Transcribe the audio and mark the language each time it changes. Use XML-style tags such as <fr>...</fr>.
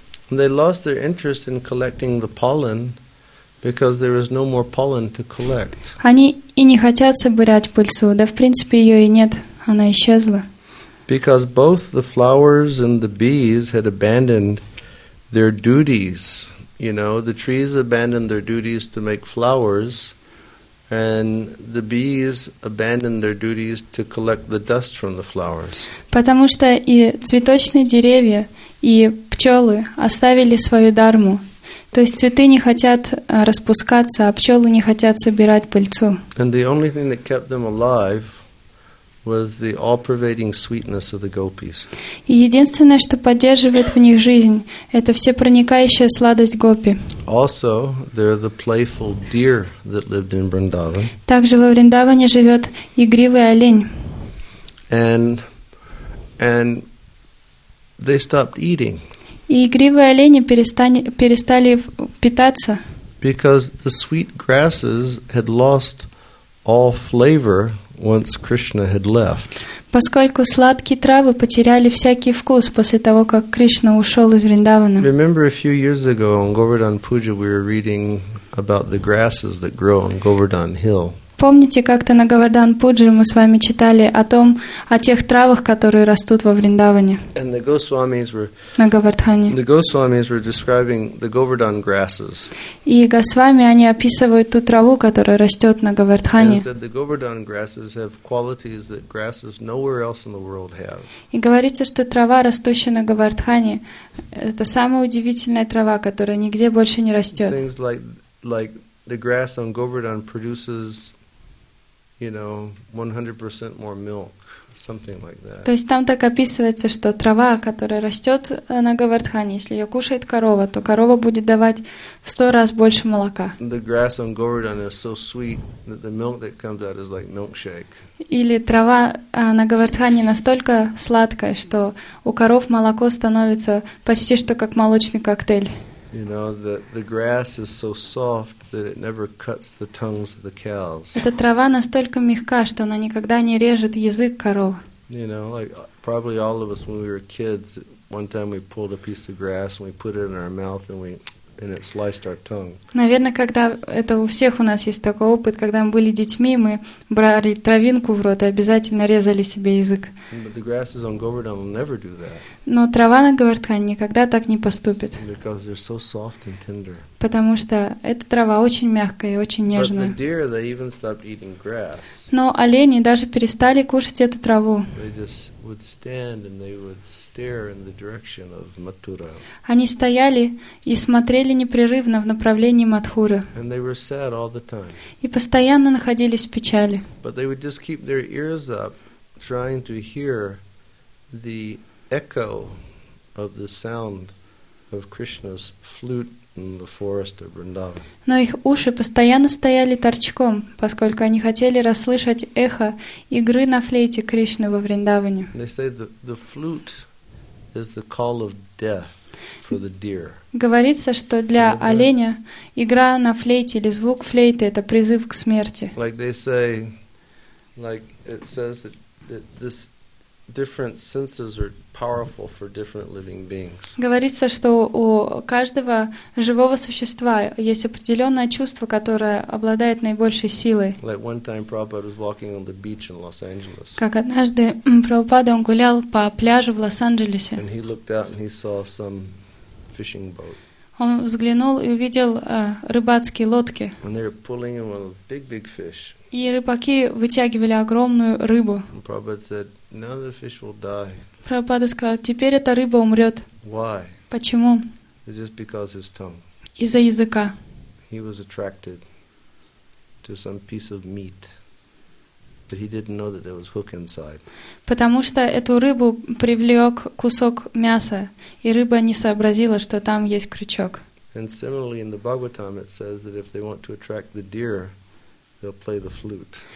<en>They lost their interest in collecting the pollen because there is no more pollen to collect.</en> <ru>Они и не хотят собирать пыльцу, да в принципе ее и нет, она исчезла.</ru> <en>Because both the flowers and the bees had abandoned their duties. You know, the trees abandoned their duties to make flowers, and the bees abandoned their duties to collect the dust from the flowers.</en> <ru>Потому что и цветочные деревья, и пчелы оставили свою дарму. То есть цветы не хотят распускаться, а пчелы не хотят собирать пыльцу.</ru> <en>And the only thing that kept them alive was the all-pervading sweetness of the gopis.</en> <ru>И единственное, что поддерживает в них жизнь, это всепроникающая сладость гопи.</ru> <en>Also, there are the playful deer that lived in Vrindavan.</en> <ru>Также во Вриндаване живет игривый олень.</ru> <en>And they stopped eating.</en> <ru>И игривые олени перестали питаться.</ru> <en>Because the sweet grasses had lost all flavor once Krishna had left.</en> <ru>Поскольку сладкие травы потеряли всякий вкус после того, как Кришна ушел из Вриндавана.</ru> <en>Remember a few years ago on Govardhan Puja we were reading about the grasses that grow on Govardhan Hill.</en> <ru>Помните, как-то на Говардан Пуджи мы с вами читали о том, о тех травах, которые растут во Вриндаване.</ru> <en>And the Госвамис were,</en> <ru>на Говардхане.</ru> <en>The Госвамис were describing the Govardhan grasses.</en> <ru>И Госвами, они описывают ту траву, которая растет на Говардхане.</ru> <en>And said the Govardhan grasses have qualities that grasses nowhere else in the world have.</en> <ru>И говорится, что трава, растущая на Говардхане, это самая удивительная трава, которая нигде больше не растет.</ru> <en>Things like the grass on Govardhan produces, you know, 100% more milk, something like that.</en> <ru>То есть там так описывается, что трава, которая растет на Говардхане, если ее кушает корова, то корова будет давать в 100 раз больше молока.</ru> <en>The grass on Govardhan is so sweet that the milk that comes out is like milkshake.</en> <ru>Или трава на Говардхане настолько сладкая, что у коров молоко становится почти что как молочный коктейль.</ru> <en>You know, the grass is so soft that it never cuts the tongues of the cows.</en> <ru>Эта трава настолько мягка, что она никогда не режет язык коров.</ru> <en>You know, like probably all of us when we were kids, one time we pulled a piece of grass and we put it in our mouth and we and it sliced our tongue.</en> <ru>Наверное, когда это у всех у нас есть такой опыт, когда мы были детьми, мы брали травинку в рот и обязательно резали себе язык.</ru> <en>But the grasses on Govardhan will never do that.</en> <ru>Но трава на Говардхане никогда так не поступит.</ru> <en>Because they're so soft and tender.</en> <ru>Потому что эта трава очень мягкая и очень нежная.</ru> <en>But the deer, they even stopped eating grass.</en> <ru>Но олени даже перестали кушать эту траву.</ru> <en>They just would stand and they would stare in the direction of Mathura.</en> <ru>Они стояли и смотрели непрерывно в направлении Матхуры.</ru> <en>And they were sad all the time.</en> <ru>И постоянно находились в печали.</ru> <en>But they would just keep their ears up, trying to hear the echo of the sound of Krishna's flute in the forest of Vrindavan.</en> <ru>Но их уши постоянно стояли торчком, поскольку они хотели расслышать эхо игры на флейте Кришны во Вриндаване.</ru> <en>They say the flute is the call of death for the deer.</en> <ru>Говорится, что для оленя игра на флейте или звук флейты — это призыв к смерти.</ru> <en>Like they say, like it says that this different senses are powerful for different living beings.</en> <ru>Говорится, что у каждого живого существа есть определенное чувство, которое обладает наибольшей силой.</ru> <en>Like one time Prabhupada was walking on the beach in Los Angeles.</en> <ru>Как однажды Прабхупада он гулял по пляжу в Лос-Анджелесе.</ru> <en>And he looked out and he saw some fishing boat.</en> <ru>Он взглянул и увидел рыбацкие лодки.</ru> <en>And they were pulling in one of the big fish.</en> <ru>И рыбаки вытягивали огромную рыбу.</ru> <en>Prabhupada said, "Now the fish will die."</en> <ru>Прабхупада сказал, теперь эта рыба умрет.</ru> <en>Why?</en> <ru>Почему?</ru> <en>It's just because his tongue.</en> <ru>Из-за языка.</ru> <en>He was attracted to some piece of meat, but he didn't know that there was hook inside.</en> <ru>Потому что эту рыбу привлек кусок мяса, и рыба не сообразила, что там есть крючок.</ru> <en>And similarly in the Bhagavatam it says that if they want to attract the deer, they'll play the flute.</en>